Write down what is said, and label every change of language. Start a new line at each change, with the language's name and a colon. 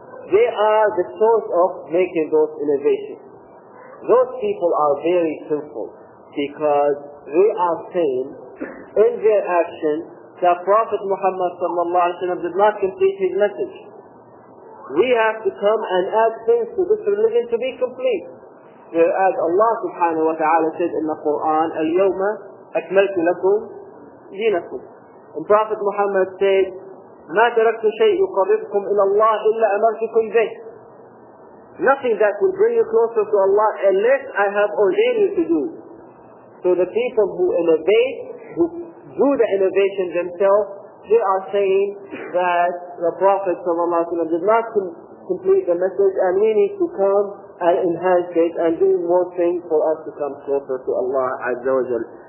English: They are the source of making those innovations. Those people are very sinful because they are saying in their action that Prophet Muhammad sallallahu alaihi wasallam did not complete his message. We have to come and add things to this religion to be complete. As Allah subhanahu wa ta'ala said in the Quran,
Arabic: اليوم أكملت لكم دينكم.
English: And Prophet Muhammad said,
Arabic: ما تركت شيء يقربكم إلى الله إلا أمرتكم به.
English: Nothing that will bring you closer to Allah unless I have ordained you to do. So the people who innovate, who do the innovation themselves, they are saying that the Prophet sallallahu alayhi wa sallam did not complete the message and we need to come and enhance it and do more things for us to come closer to Allah Azza wa Jal.